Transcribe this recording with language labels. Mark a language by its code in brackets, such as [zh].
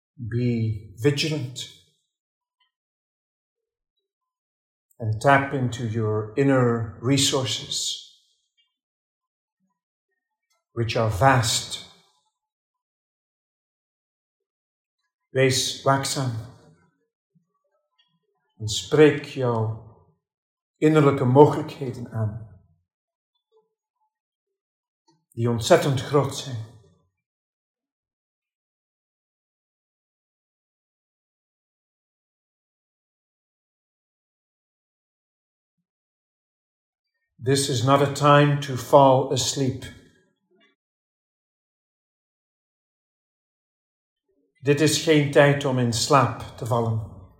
[en] Be vigilant and tap into your inner resources, which are vast. [nl] Wees waakzaam en spreek jouw innerlijke mogelijkheden aan, die ontzettend groot zijn. [en] This is not a time to fall asleep. [nl] Dit is geen tijd om in slaap te vallen.